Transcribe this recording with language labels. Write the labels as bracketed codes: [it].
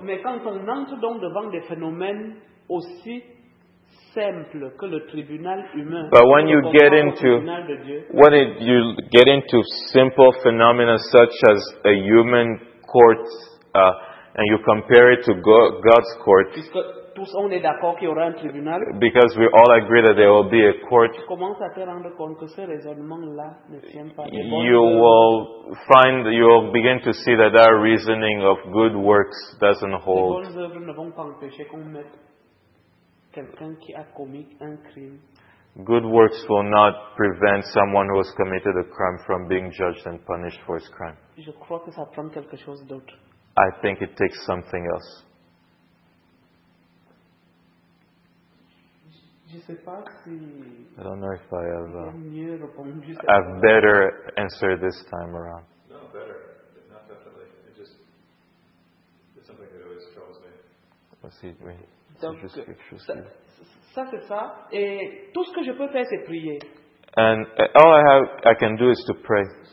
[fr] Mais quand on entre donc devant des phénomènes aussi simples que le tribunal humain, [en] but when you get into Dieu, when it, you get into simple phenomena such as a human court and you compare it to God's court, [fr] puisque tous on est d'accord qu'il y aura un tribunal, [en] because we all agree that there will be a court, [fr] tu commences à te rendre compte que ce raisonnement là ne tient pas. [en] You will begin to see that our reasoning of good works doesn't hold. [fr] Les bonnes œuvres ne vont pas empêcher qu'on mette quelqu'un qui a commis un crime. [en] Good works will not prevent someone who has committed a crime from being judged and punished for his crime. [fr] Je crois que ça prend quelque chose d'autre. [en] I think it takes something else. I don't know if I have a better answer this time around. No, better. Not definitely. It's something that always troubles me. [fr] Ça c'est ça. Et tout ce que je peux faire c'est prier. [en] And all I can do is to pray.